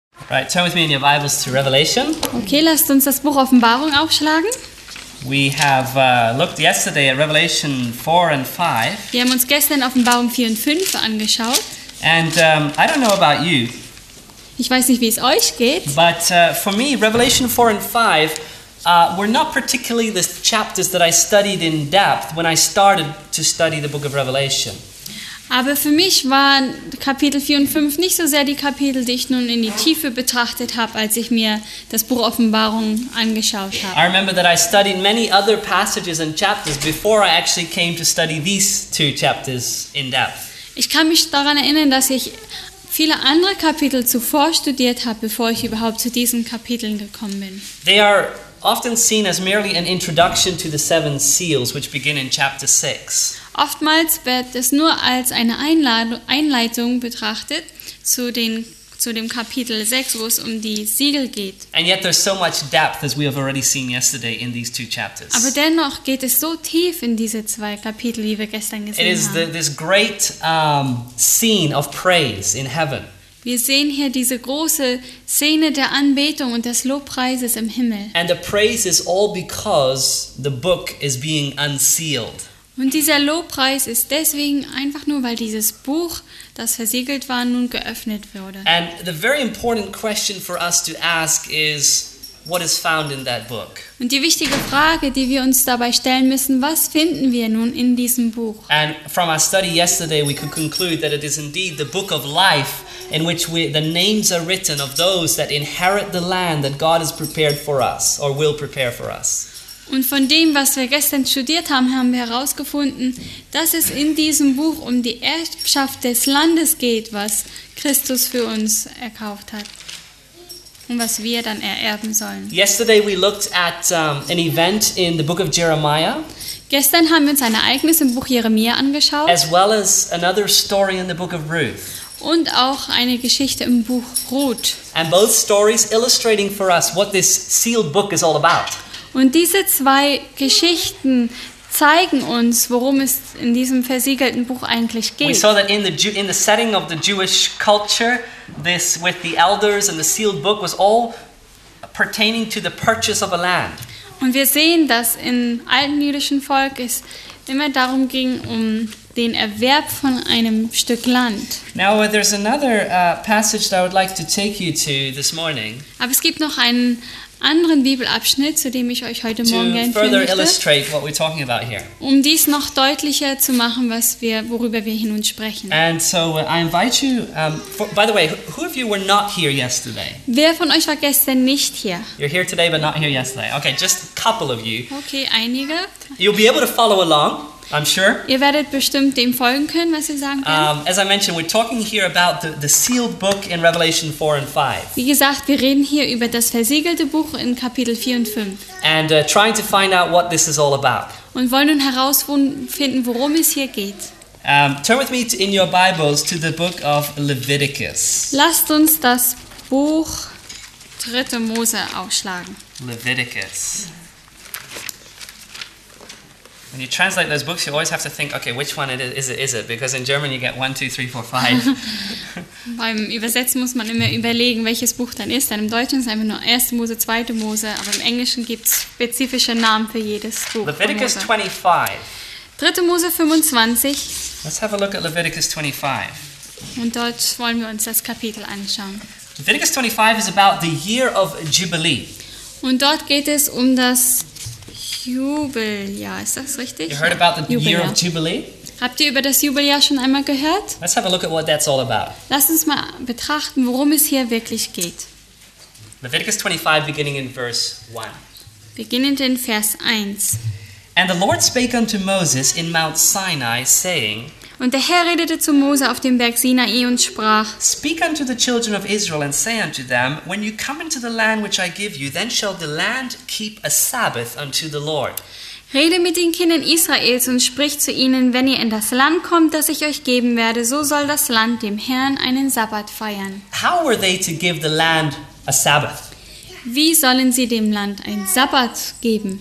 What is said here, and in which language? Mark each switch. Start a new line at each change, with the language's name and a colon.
English: Right, turn with me in your Bibles to Revelation.
German: Okay, lasst uns das Buch Offenbarung aufschlagen.
English: We have looked yesterday at Revelation 4 and 5.
German: Wir haben uns gestern Offenbarung 4 und 5 angeschaut.
English: And I don't know about you.
German: Ich weiß nicht, wie es euch geht.
English: But for me, Revelation 4 and 5 were not particularly the chapters that I studied in depth when I started to study the book of Revelation.
German: Aber für mich waren Kapitel 4 und 5 nicht so sehr die Kapitel, die ich nun in die Tiefe betrachtet habe, als ich mir das Buch Offenbarung angeschaut habe.
English: I remember that I studied many other passages and chapters before I actually came to study these two chapters in depth.
German: Ich kann mich daran erinnern, dass ich viele andere Kapitel zuvor studiert habe, bevor ich überhaupt zu diesen Kapiteln gekommen bin.
English: They are often seen as merely an introduction to the seven seals, which begin in chapter 6.
German: Oftmals wird es nur als eine Einleitung betrachtet zu dem Kapitel 6, wo es um die Siegel geht.
English: And yet there's so much depth, as we have already seen yesterday in these two chapters.
German: Aber dennoch geht es so tief in diese zwei Kapitel, wie wir gestern gesehen haben.
English: It is this great scene of praise in heaven.
German: Wir sehen hier diese große Szene der Anbetung und des Lobpreises im Himmel.
English: And the praise is all because the book is being unsealed.
German: Und dieser Lobpreis ist deswegen einfach nur, weil dieses Buch, das versiegelt war, nun geöffnet wurde.
English: And the very important question for us to ask is, what is found in that book?
German: Und die wichtige Frage, die wir uns dabei stellen müssen, was finden wir nun in diesem Buch?
English: And from our study yesterday, we could conclude that it is indeed the book of life, in which the names are written of those that inherit the land that God has prepared for us, or will prepare for us.
German: Und von dem, was wir gestern studiert haben, haben wir herausgefunden, dass es in diesem Buch um die Erbschaft des Landes geht, was Christus für uns erkauft hat und was wir dann ererben sollen.
English: Yesterday we looked at an event in the book of Jeremiah.
German: Gestern haben wir uns ein Ereignis im Buch Jeremia angeschaut.
English: As well as another story in the book of Ruth.
German: Und auch eine Geschichte im Buch Ruth.
English: And both stories illustrating for us what this sealed book is all about.
German: Und diese zwei Geschichten zeigen uns, worum es in diesem versiegelten Buch eigentlich geht.
English: We saw that in the setting of the Jewish culture, this with the elders and the sealed book was all pertaining to the purchase of a land.
German: Und wir sehen, dass im alten jüdischen Volk es immer darum ging, um den Erwerb von einem Stück Land.
English: Now there's another passage that I would like to take you to this morning.
German: Aber es gibt noch einen anderen Bibelabschnitt, zu dem ich euch heute Morgen gerne führen möchte, um dies noch deutlicher zu machen, worüber wir hier nun sprechen.
English: And so I invite you, by the way, who of you were not here yesterday?
German: Wer von euch war gestern nicht hier?
English: You're here today, but not here yesterday. Okay, just a couple of you.
German: Okay, einige.
English: You'll be able to follow along, I'm sure.
German: Ihr werdet bestimmt dem folgen können, was ihr sagen könnt.
English: As I mentioned, we're talking here about the sealed book in Revelation 4 and 5.
German: Wie gesagt, wir reden hier über das versiegelte Buch in Kapitel 4 und 5.
English: And trying to find out what this is all about.
German: Und wollen nun herausfinden, worum es hier geht.
English: Turn with me in your Bibles to the book of Leviticus.
German: Lasst uns das Buch 3. Mose aufschlagen.
English: Leviticus. When you translate those books, you always have to think, okay, which one is it? Because in German you get 1, 2, 3, 4, 5.
German: Beim Übersetzen muss man immer überlegen, welches Buch dann ist. Denn im Deutschen ist einfach nur 1. Mose, 2. Mose. Aber im Englischen gibt es spezifische Namen für jedes Buch.
English: Leviticus 25.
German: 3. Mose 25.
English: Let's have a look at Leviticus 25.
German: Und dort wollen wir uns das Kapitel anschauen.
English: Leviticus 25 is about the year of Jubilee.
German: Und dort geht es um das Jubel, ja, ist das richtig?
English: You heard about the Jubel, year of Jubilee?
German: Habt ihr über das Jubeljahr schon einmal gehört?
English: Let's have a look at what that's all about.
German: Lass uns mal betrachten, worum es hier wirklich geht.
English: Leviticus 25, beginning in verse 1.
German: Beginnend in Vers 1.
English: And the Lord spake unto Moses in Mount Sinai, saying,
German: und der Herr redete zu Mose auf dem Berg Sinai und sprach,
English: speak unto the children of Israel and say unto them, when you come into the land which I give you, then shall the land keep a Sabbath unto the Lord.
German: Rede mit den Kindern Israels und sprich zu ihnen, wenn ihr in das Land kommt, das ich euch geben werde, so soll das Land dem Herrn einen Sabbat feiern.
English: How were they to give the land a Sabbath?
German: Wie sollen sie dem Land einen Sabbat geben?